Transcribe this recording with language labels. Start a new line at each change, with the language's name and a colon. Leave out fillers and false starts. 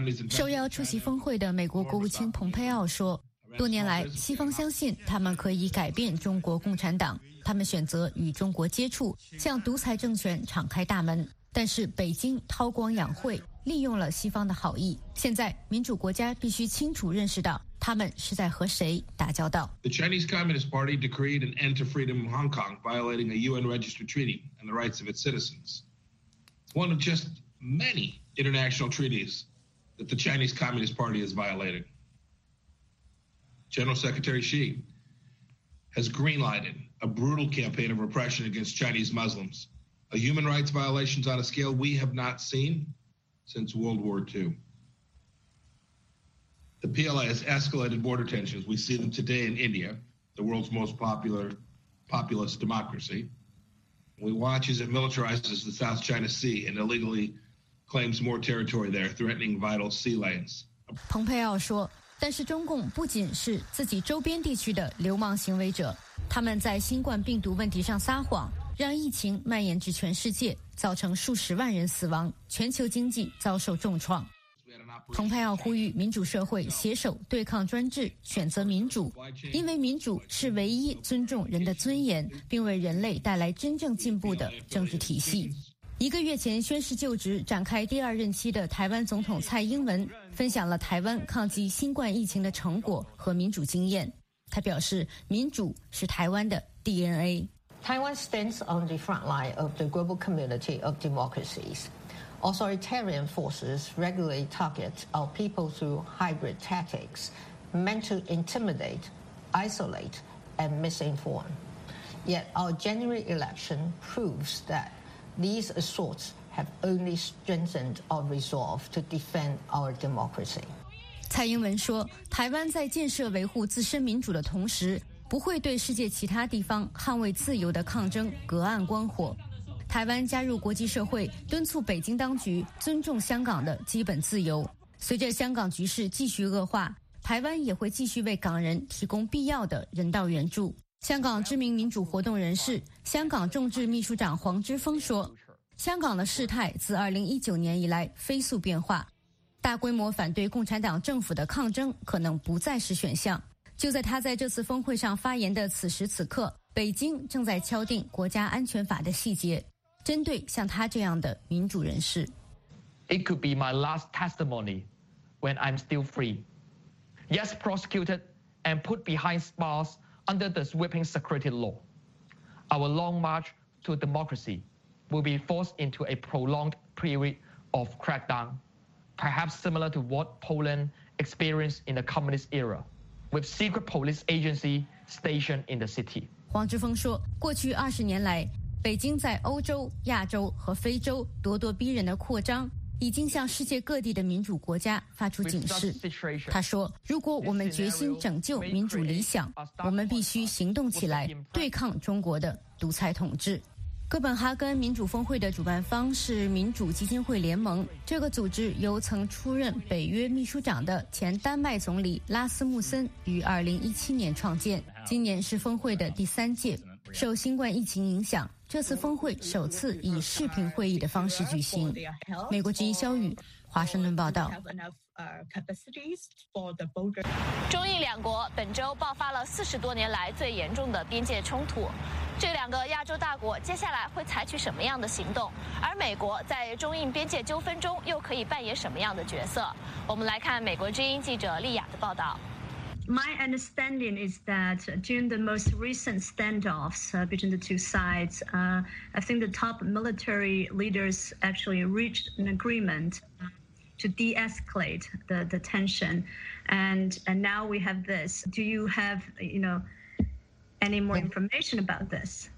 Chinese: 受邀出席峰会的美国国务卿蓬佩奥说，多年来西方相信他们可以改变中国共产党，他们选择与中国接触，向独裁政权敞开大门，但是北京韬光养晦，利用了西方的好意。现在民主国家必须清楚认识到他们是在和谁打交道。
English: The Chinese Communist Party decreed an end to freedom in Hong Kong, violating a UN registered treaty and the rights of its citizens. One of just many international treaties that the Chinese Communist Party has violated. General Secretary Xi has greenlighted a brutal campaign of repression against Chinese Muslims, a human rights violations on a scale we have not seen since World War II. The PLA has escalated border tensions. We see them today in India, the world's most populist democracy. We watch as it militarizes the South China Sea and illegally claims more territory there, threatening vital sea lanes.
Chinese: 蓬佩奥说，但是中共不仅是自己周边地区的流氓行为者，他们在新冠病毒问题上撒谎，让疫情蔓延至全世界，造成数十万人死亡，全球经济遭受重创。
English: We had an
Chinese: 蓬佩奥呼吁民主社会携手对抗专制，选择民主，因为民主是唯一尊重人的尊严，并为人类带来真正进步的政治体系。一个月前宣誓就职展开第二任期的台湾总统蔡英文分享了台湾抗击新冠疫情的成果和民主经验。他表示，民主是台湾的 DNA。
English: Taiwan stands on the front line of the global community of democracies. Authoritarian forces regularly target our people through hybrid tactics meant to intimidate, isolate, and misinform. Yet our January election proves that these assaults have only strengthened our resolve to defend our democracy.
Chinese: 蔡英文说，台湾在建设维护自身民主的同时，不会对世界其他地方捍卫自由的抗争隔岸观火。台湾加入国际社会，敦促北京当局尊重香港的基本自由。随着香港局势继续恶化，台湾也会继续为港人提供必要的人道援助。香港知名民主活动人士、香港众志秘书长黄之锋说，香港的事态自2019年以来飞速变化，大规模反对共产党政府的抗争可能不再是选项。就在他在这次峰会上发言的此时此刻，北京正在敲定国家安全法的细节，针对像他这样的民主人士。
English: It could be my last testimony when I'm still free. Yes, prosecuted and put behind bars under the sweeping security law. Our long march to democracy will be forced into a prolonged period of crackdown, perhaps similar to what Poland experienced in the communist era. With secret police agency stationed in the city.
Chinese: 黄之锋说，过去20年来，北京在欧洲、亚洲和非洲咄咄逼人的扩张，已经向世界各地的民主国家发出警示。他说，如果我们决心拯救民主理想，我们必须行动起来，对抗中国的独裁统治。哥本哈根民主峰会的主办方是民主基金会联盟，这个组织由曾出任北约秘书长的前丹麦总理拉斯穆森于2017年创建，今年是峰会的第三届。受新冠疫情影响，这次峰会首次以视频会议的方式举行。美国之音肖宇华盛顿报道。中印两国本周爆发了40多年来最严重的边界冲突，这两个亚洲大国接下来会采取什么样的行动？而美国在中印边界纠纷中又可以扮演什么样的角色？我们来看美国之音记者丽雅的报道。
English: My understanding is that during the most recent standoffs between the two sides, I think the top military leaders actually reached an agreement to de-escalate the tension. And now we have this. Do you have, you know, any more information about this?